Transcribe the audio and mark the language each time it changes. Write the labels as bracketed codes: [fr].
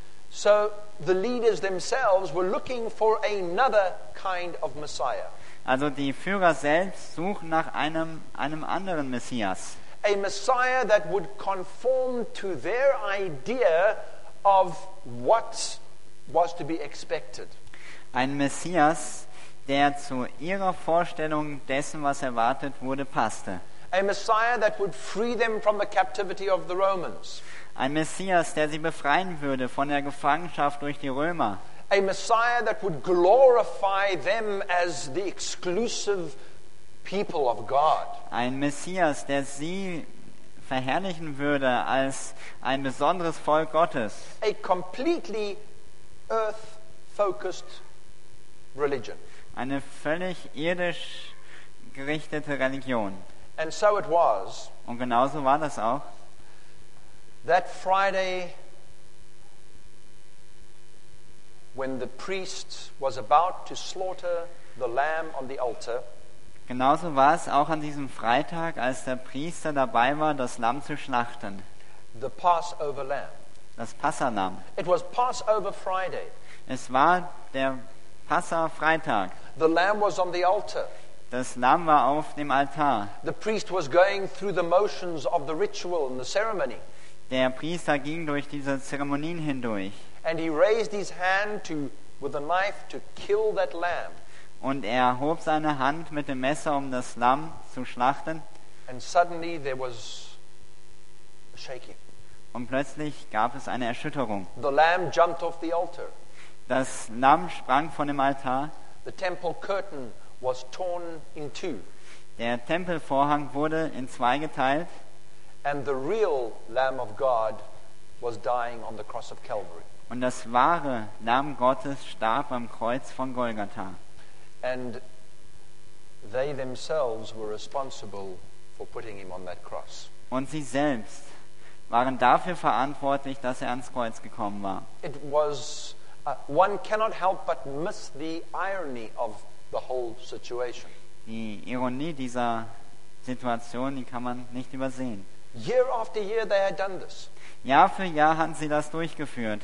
[en] So the leaders themselves were looking for another kind of Messiah. [de] Also die Führer selbst suchen nach einem anderen Messias. [en] A Messiah that would conform to their idea of what was to be expected. [de] Ein Messias, der zu ihrer Vorstellung dessen, was erwartet wurde, passte. [en] A Messiah that would free them from the captivity of the Romans. [de] Ein Messias, der sie befreien würde von der Gefangenschaft durch die Römer. [en] A Messiah that would glorify them as the exclusive people of God. [de] Ein Messias, der sie verherrlichen würde als ein besonderes Volk Gottes. [en] A completely earth-focused religion. [de] Eine völlig irdisch gerichtete Religion. [en] And so it was. [de] Und genauso war das auch. [en] That Friday, when the priest was about to slaughter the lamb on the altar. [de] Genauso war es auch an diesem Freitag, als der Priester dabei war, das Lamm zu schlachten. [en] The Passover lamb. [de] Das Passalamm. [en] It was Passover Friday. [de] Es war der Passafreitag. [en] The lamb was on the altar. [de] Das Lamm war auf dem Altar. [en] The priest was going through the motions of the ritual and the ceremony. [de] Der Priester ging durch diese Zeremonien hindurch. [en] And he raised his hand to with a knife to kill that lamb. [de] Und er hob seine Hand mit dem Messer, um das Lamm zu schlachten. [en] And suddenly there was a shaking. [de] Und plötzlich gab es eine Erschütterung. [en] The lamb jumped off the altar. [de] Das Lamm sprang von dem Altar. [en] The temple curtain was torn in two. [de] Der Tempelvorhang wurde in zwei geteilt. [en] And the real Lamb of God was dying on the cross of Calvary. [de] Und das wahre Lamm Gottes starb am Kreuz von Golgatha. [en] And they themselves were responsible for putting him on that cross. [de] Und sie selbst waren dafür verantwortlich, dass er ans Kreuz gekommen war. [en] It was one cannot help but miss the irony of the whole situation. [de] Die Ironie dieser Situation, die kann man nicht übersehen. [en] Year after year they had done this. [de] Jahr für Jahr hatten sie das durchgeführt.